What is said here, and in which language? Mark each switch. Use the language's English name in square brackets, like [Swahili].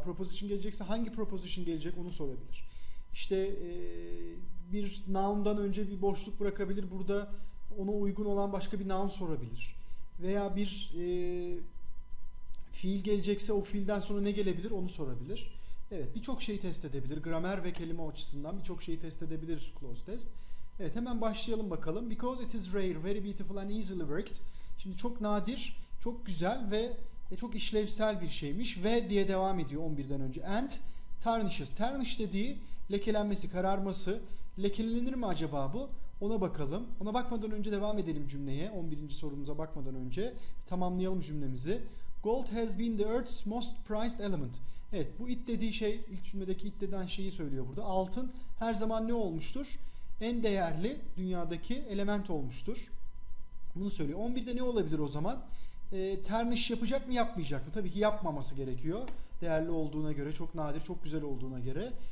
[Turkish] Proposition gelecekse hangi proposition gelecek onu sorabilir. İşte bir noun'dan önce bir boşluk bırakabilir. Burada ona uygun olan başka bir noun sorabilir. Veya bir fiil gelecekse o fiilden sonra ne gelebilir onu sorabilir. Evet, birçok şeyi test edebilir. Gramer ve kelime açısından birçok şeyi test edebilir clause test. Evet, hemen başlayalım bakalım. [English] Because it is rare, very beautiful and easily worked. [Turkish] Şimdi çok nadir, çok güzel ve çok işlevsel bir şeymiş ve diye devam ediyor 11'den önce. [English] And tarnishes. [Turkish] Tarnish dediği lekelenmesi, kararması. Lekelenir mi acaba bu? Ona bakalım. Ona bakmadan önce devam edelim cümleye. 11. sorumuza bakmadan önce tamamlayalım cümlemizi. [English] Gold has been the earth's most prized element. [Turkish] Evet, bu it dediği şey, ilk cümledeki it denen şeyi söylüyor burada. Altın her zaman ne olmuştur? En değerli dünyadaki element olmuştur. Bunu söylüyor. 11'de ne olabilir o zaman? Tarnış yapacak mı yapmayacak mı? Tabii ki yapmaması gerekiyor. Değerli olduğuna göre, çok nadir, çok güzel olduğuna göre.